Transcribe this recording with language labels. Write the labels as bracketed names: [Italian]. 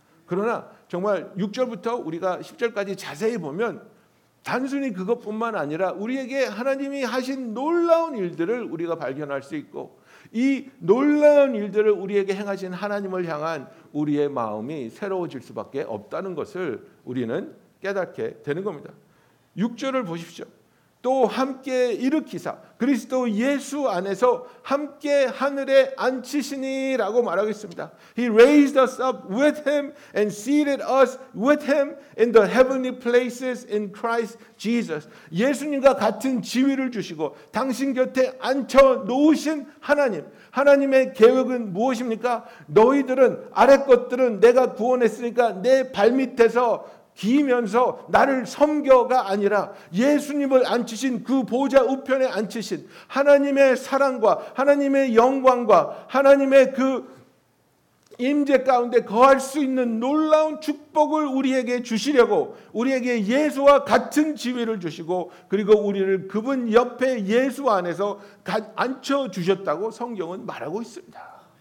[Korean] 그러나 정말 6절부터 우리가 10절까지 자세히 보면 단순히 그것뿐만 아니라 우리에게 하나님이 하신 놀라운 일들을 우리가 발견할 수 있고 이 놀라운 일들을 우리에게 행하신 하나님을 향한 우리의 마음이 새로워질 수밖에 없다는 것을 우리는 깨닫게 되는 겁니다. 6절을 보십시오. 또 함께 일으키사 그리스도 예수 안에서 함께 하늘에 앉히시니라고 말하겠습니다. [English] He raised us up with him and seated us with him in the heavenly places in Christ Jesus. [Korean] 예수님과 같은 지위를 주시고 당신 곁에 앉혀 놓으신 하나님. 하나님의 계획은 무엇입니까? 너희들은 아래 것들은 내가 구원했으니까 내 발밑에서 기면서 나를 섬겨가 아니라 예수님을 앉히신 그 보좌 우편에 앉히신 하나님의 사랑과 하나님의 영광과 하나님의 그 임재 가운데 거할 수 있는 놀라운 축복을 우리에게 주시려고 우리에게 예수와 같은 지위를 주시고 그리고 우리를 그분 옆에 예수 안에서 앉혀주셨다고 성경은 말하고 있습니다.